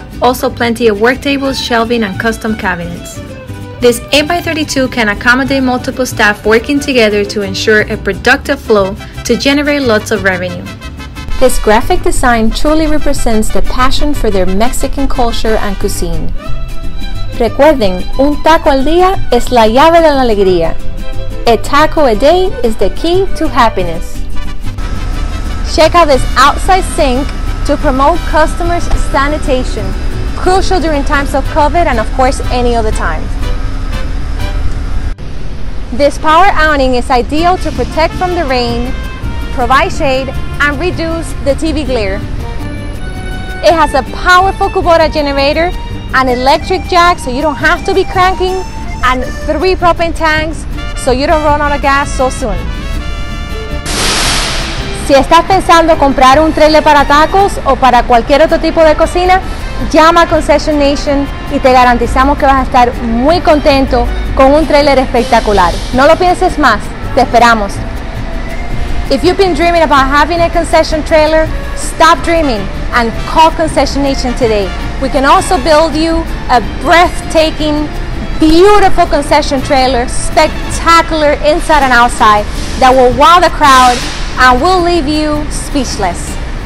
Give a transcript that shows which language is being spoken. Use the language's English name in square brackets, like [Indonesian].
[English] Also plenty of work tables, shelving, and custom cabinets. This 8x32 can accommodate multiple staff working together to ensure a productive flow to generate lots of revenue. This graphic design truly represents the passion for their Mexican culture and cuisine. [Spanish] Recuerden, un taco al día es la llave de la alegría. [English] A taco a day is the key to happiness. Check out this outside sink to promote customers' sanitation, crucial during times of COVID and of course any other time. This power awning is ideal to protect from the rain, provide shade, and reduce the TV glare. It has a powerful Kubota generator, an electric jack so you don't have to be cranking, and 3 propane tanks so you don't run out of gas so soon. [Spanish] Si estás pensando comprar un trailer para tacos o para cualquier otro tipo de cocina, llama a Concession Nation y te garantizamos que vas a estar muy contento con un trailer espectacular. No lo pienses más, te esperamos. [English] If you've been dreaming about having a concession trailer, stop dreaming and call Concession Nation today. We can also build you a breathtaking, beautiful concession trailer, spectacular inside and outside, that will wow the crowd and will leave you speechless.